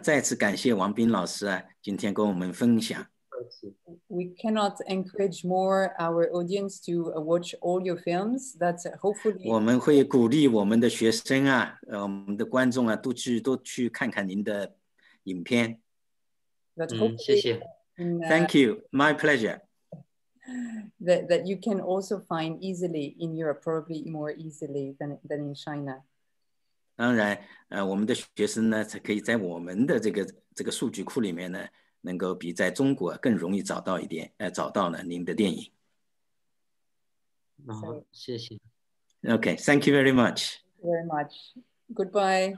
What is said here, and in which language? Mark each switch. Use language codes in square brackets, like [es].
[en] cannot encourage more our audience to watch all your films. That's hopefully. [zh] 我们会鼓励我们的学生啊，我们的观众啊，都去看看您的影片。谢谢。 [en] Thank you. My pleasure. That you can also find easily in Europe, probably more easily than in China. [zh] 当然，我们的学生呢，才可以在我们的这个数据库里面呢，能够比在中国更容易找到一点，找到了您的电影。好，谢谢。 [en] Okay, thank you very much. Thank you very much. Goodbye.